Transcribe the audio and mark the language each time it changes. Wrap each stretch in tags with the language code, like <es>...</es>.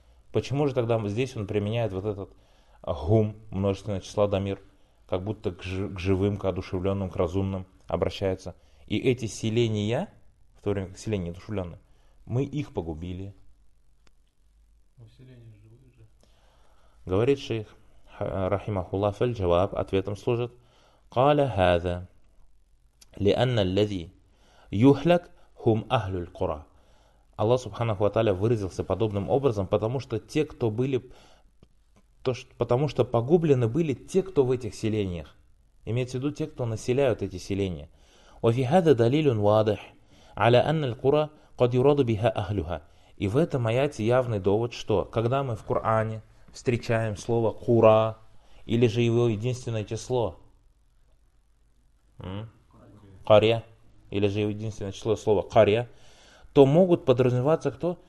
<ru>Почему же тогда здесь он применяет вот этот «гум», множественное число «дамир», как будто к живым, к одушевленным, к разумным обращается. И эти селения, в то время как селения одушевленные, мы их погубили. Но селения живые же. Говорит шейх, рахимахулла,</ru> <ar>фаль джаваб,</ar> <ru>ответом служит,</ru> <ar>«Каля хаза». لأن الذي يهلك هم أهل القرى.</ar> <ru>Аллах Субханаху ва Тааля выразился подобным образом, потому что те, кто были, потому что погублены были те, кто в этих селениях. Имеется в виду те, кто населяют эти селения.</ru> <ar>وفي هذا دليل واضح على أن القرى قد يراد بها أهلها.</ar> <ru>И в этом аяте явный довод, что когда мы в Коране встречаем слово кура или же его единственное число. Кария, или же единственное число слова кария, то могут подразумеваться кто?</ru>